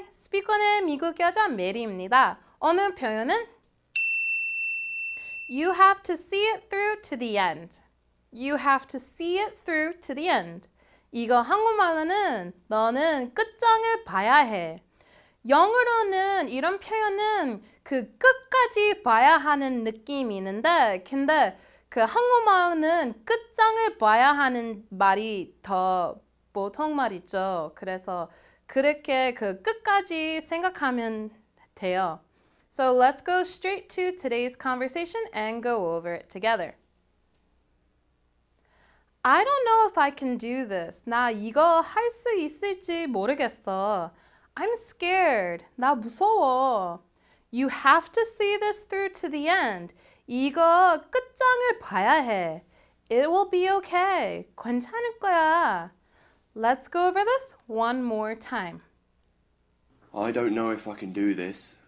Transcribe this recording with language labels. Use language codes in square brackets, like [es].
[ko] 일꾼의 미국 여자 메리입니다. 오늘 표현은 [en] You have to see it through to the end. You have to see it through to the end. [ko] 이거 한국말로는 너는 끝장을 봐야 해. 영어로는 이런 표현은 그 끝까지 봐야 하는 느낌이 있는데 근데 그 한국말로는 끝장을 봐야 하는 말이 더 보통 말이죠. 그래서 그렇게 그 끝까지 생각하면 돼요. [en] So let's go straight to today's conversation and go over it together. I don't know if I can do this. [ko] 나 이거 할 수 있을지 모르겠어. [en] I'm scared. [ko] 나 무서워. [en] You have to see this through to the end. [ko] 이거 끝장을 봐야 해. [en] It will be okay. [ko] 괜찮을 거야. [en] Let's go over this one more time. I don't know if I can do this.